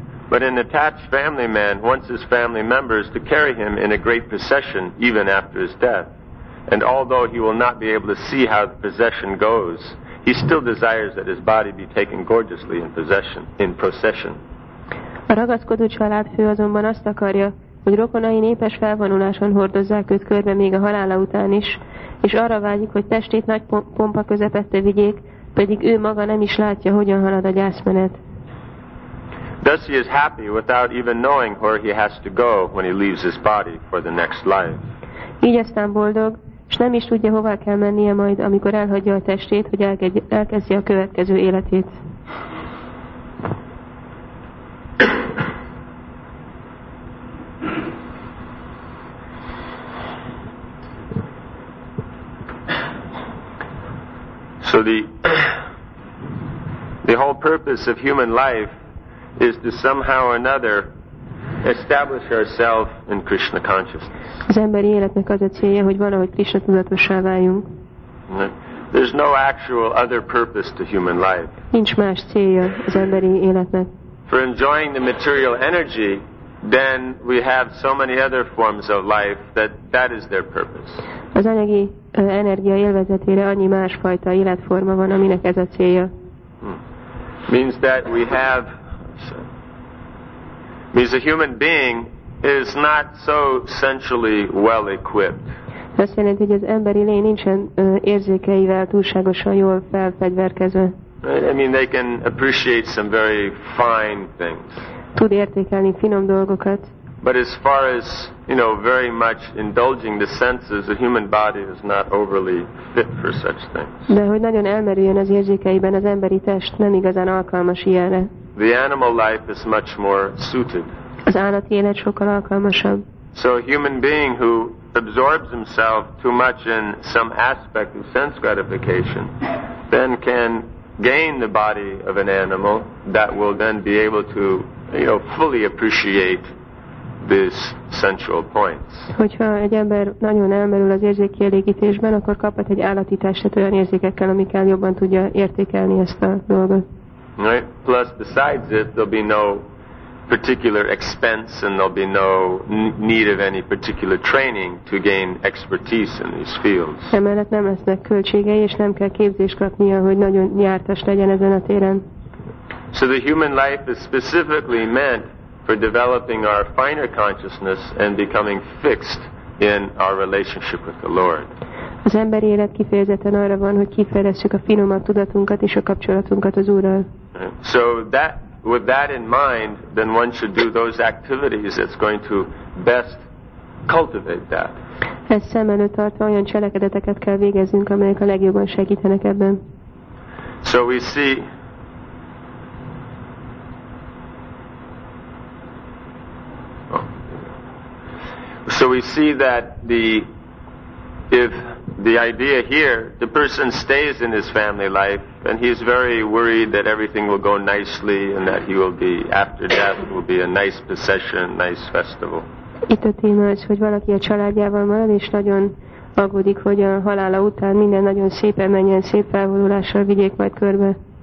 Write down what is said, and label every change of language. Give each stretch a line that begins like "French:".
English: But an attached family man wants his family members to carry him in a great procession even after his death. And although he will not be able to see how the procession goes, he still desires that his body be taken gorgeously in procession.
Hungarian: A ragaszkodó családfő azonban azt akarja, hogy rokonai népes felvonuláson hordozzák őt körbe még a halála után is, és arra vágyik, hogy testét nagy pompa közepette vigyék, pedig ő maga nem is látja, hogyan halad a gyászmenet.
English: Thus he is happy without even knowing where he has to go when he leaves his body for the next life.
Hungarian: Így aztán boldog, és nem is tudja, hová kell mennie majd, amikor elhagyja a testét, hogy elkezdje a következő életét.
English: So the whole purpose of human life is to somehow or another establish ourselves in Krishna consciousness.
Hungarian: Az emberi életnek az a célja, hogy valahogy Krishna tudatossá váljunk.
English: There's no actual other purpose to human life.
Hungarian: Nincs más célja az emberi életnek.
English: For enjoying the material energy, then we have so many other forms of life that is their purpose.
Hungarian: Az anyagi energia élvezetére annyi másfajta életforma van, aminek ez a célja.
English: means that we have, means a human being is not so centrally well equipped.
Hungarian: Azt jelenti, hogy az emberi lény nincsen érzékeivel túlságosan jól felfegyverkezve.
English: I mean, they can appreciate some very fine things.
Hungarian: Tud értékelni finom dolgokat.
English: But as far as, you know, very much indulging the senses, the human body is not overly fit for such things.
Hungarian: De hogy nagyon elmerüljön az érzékeiben, az emberi test nem igazán alkalmas ilyenre.
English: The animal life is much more suited.
Hungarian: Az állati élet sokkal alkalmasabb.
English: So a human being who absorbs himself too much in some aspect of sense gratification then can gain the body of an animal that will then be able to, you know, fully appreciate these central points.
Hungarian: Hogyha egy ember nagyon elmerül az érzékkielégítésben, akkor kaphat egy állati testet olyan érzékekkel, amikkel jobban tudja értékelni ezt a dolgot.
English: Right? Plus, besides it, there'll be no particular expense and there'll be no need of any particular training to gain expertise in these fields.
Hungarian: Emellett nem lesznek költségei, és nem kell képzést kapnia, hogy nagyon jártas legyen ezen a téren.
English: So the human life is specifically meant for developing our finer consciousness and becoming fixed in our relationship with the Lord.
Hungarian: Az emberi élet kifejezetten arra van, hogy kifejlesszük a finomabb tudatunkat és a kapcsolatunkat az Úrral.
English: So that, with that in mind, then one should do those activities that's going to best cultivate that.
Hungarian: Ezt szem előtt tartva olyan cselekedeteket kell végeznünk, amelyek a legjobban segítenek ebben.
English: So we see, that the, if the idea here, the person stays in his family life and he's very worried that everything will go nicely and that he will be, after death, will be a nice procession, nice festival.
Hungarian: Itt a téma az, hogy valaki a családjával marad és nagyon aggódik, hogy a halála után minden nagyon szépen menjen, szép felvonulással vigyék majd körbe.